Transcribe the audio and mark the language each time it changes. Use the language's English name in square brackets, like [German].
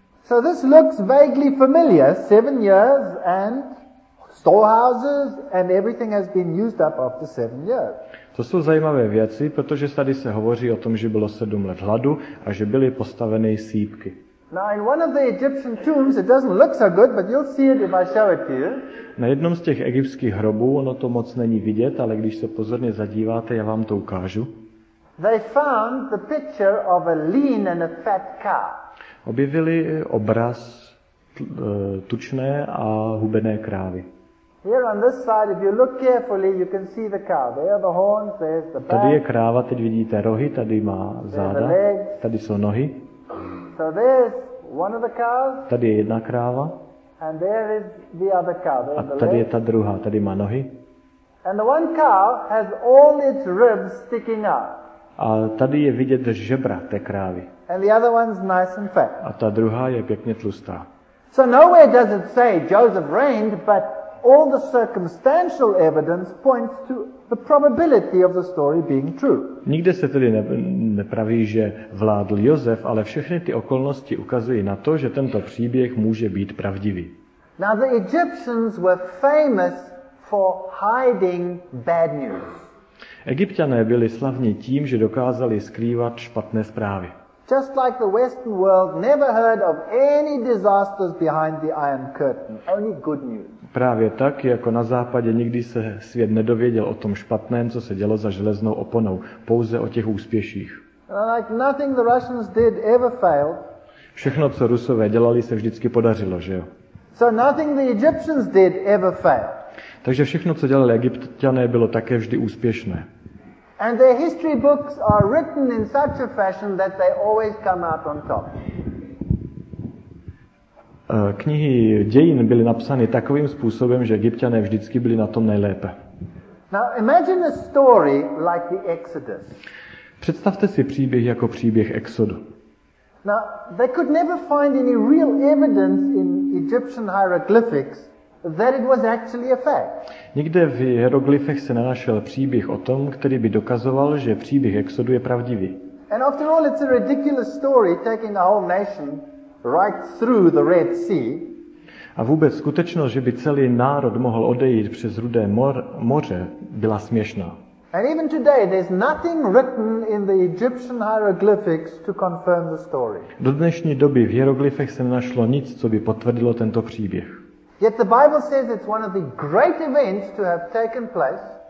[English] So this looks vaguely familiar, 7 years and storehouses and everything has been used up after 7 years. [Czech] To jsou zajímavé věci, protože tady se hovoří o tom, že bylo 7 let hladu a že byly postaveny sýpky. [English] Now in one of the Egyptian tombs it doesn't look so good, but you'll see it if I show it to you. [Czech] Na jednom z těch egyptských hrobů ono to moc není vidět, ale když se pozorně zadíváte, já vám to ukážu. [English] They found the picture of a lean and a fat cow. [Czech] Objevili obraz tučné a hubené krávy. [English] Here on this side, if you look carefully, you can see the cow. There are the horns, there's the back. [Czech] Tady je kráva, teď vidíte rohy, tady má záda. Tady jsou nohy. [English] So there's one of the cows. [Czech] Tady je jedna kráva. [English] And there is the other cow. There's [Czech] a tady je ta druhá, tady má nohy. [English] And the one cow has all its ribs sticking out. [Czech] A tady je vidět žebra té krávy. [English] And the other one's nice and fat. [Czech] A ta druhá je pěkně tlustá. [English] So nowhere does it say Joseph reigned, but all the circumstantial evidence points to the probability of the story being true. [Czech] Nikde se tedy nepraví, že vládl Josef, ale všechny ty okolnosti ukazují na to, že tento příběh může být pravdivý. [English] Now the Egyptians were famous for hiding bad news. [Czech] Egypťané byli slavní tím, že dokázali skrývat špatné zprávy. [English] Just like the Western world never heard of any disasters behind the Iron Curtain, only good news. [Czech] Právě tak, jako na západě nikdy se svět nedověděl o tom špatném, co se dělo za železnou oponou, pouze o těch úspěších. [English] Like nothing the Russians did ever failed. [Czech] Všechno, co Rusové dělali, se vždycky podařilo, že jo? [English] So nothing the Egyptians did ever failed. [Czech] Takže všechno, co dělali Egypťané, bylo také vždy úspěšné. [English] And their history books are written in such a fashion that they always come out on top. [Czech] Knihy dějin byly napsány takovým způsobem, že Egypťané vždycky byli na tom nejlépe. [English] Now imagine a story like the Exodus. [Czech] Představte si příběh jako příběh Exodu. [English] Now, they could never find any real evidence in Egyptian hieroglyphics that it was actually a fact. [Czech] Nikde v hieroglyfech se nenašel příběh o tom, který by dokazoval, že příběh Exodu je pravdivý. [English] And after all, it's a ridiculous story taking the whole nation right through the Red Sea. [Czech] A vůbec skutečnost, že by celý národ mohl odejít přes Rudé moře, byla směšná. [English] And even today there's nothing written in the Egyptian hieroglyphics to confirm the story. [Czech] Do dnešní doby v hieroglyfech se nenašlo nic, co by potvrdilo tento příběh. [English] Yet the Bible says it's one of the great events to have taken place.